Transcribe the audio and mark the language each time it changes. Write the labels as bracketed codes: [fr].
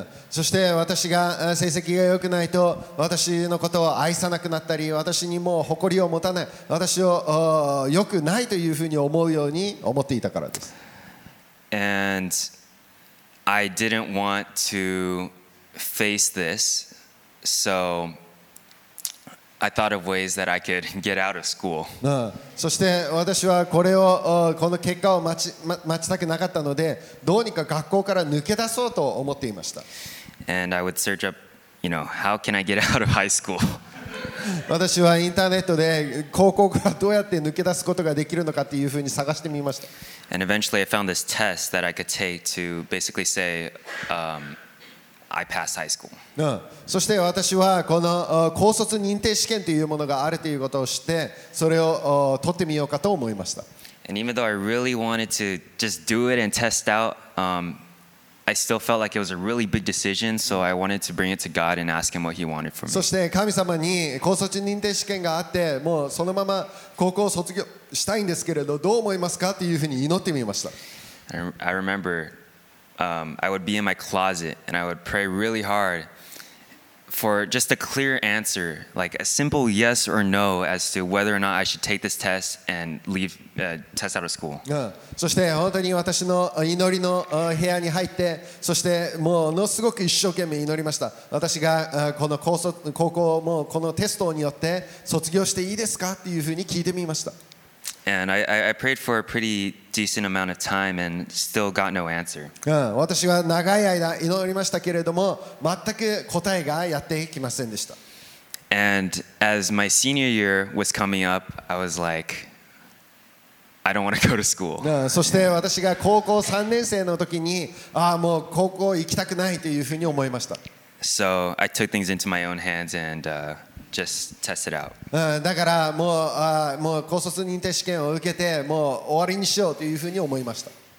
[ja] そして私が成績が良くないと私のことを愛さなくなったり私にもう誇りを持たない私を良くないというふうに思うように思っていたからです。 [en] And I didn't want to face this, soI thought of ways that I could get out of school. [ja] そして私はこれをこの結果を待ちたくなかったので、どうにか学校から抜け出そうと思っていました。 [en] And I would search up, you know, how can I get out of high school? [ja] 私はインターネットで高校からどうやって抜け出すことができるのかっていうふうに探してみました。 [en] And eventually I found this test that I could take to basically say, I passed high school. [ja] そして私はこの高卒認定試験というものがあるということを知って、それを取ってみようかと思いました。 [en] And even though I really wanted to just do it and test out, I still felt like it was a really big decision, so I wanted to bring it to God and ask Him what He wanted from me. [ja] そして神様に高卒認定試験があって、もうそのまま高校を卒業したいんですけれど、どう思いますかというふうに祈ってみました。 [en] I remember, I would be in my closet and I would pray really hard for just a clear answer, like a simple yes or no as to whether or not I should take this test and leave, test out of school. [ja] そして本当に私の祈りの部屋に入って、そしてものすごく一生懸命祈りました。私がこの高校をもうこのテストによって卒業していいですかっていうふうに聞いてみました。 [en] And I prayed for a pretty decent amount of time and still got no answer. [ja] 私は長い間祈りましたけれども、全く答えがやってきませんでした。 [en] And as my senior year was coming up, I was like, I don't want to go to school. [ja] そして私が高校3年生の時に、ああもう高校行きたくないというふうに思いました。 [en] So I took things into my own hands and, just test it out. [ja] だからもう高卒認定試験を受けてもう終わりにしようというふうに思いました。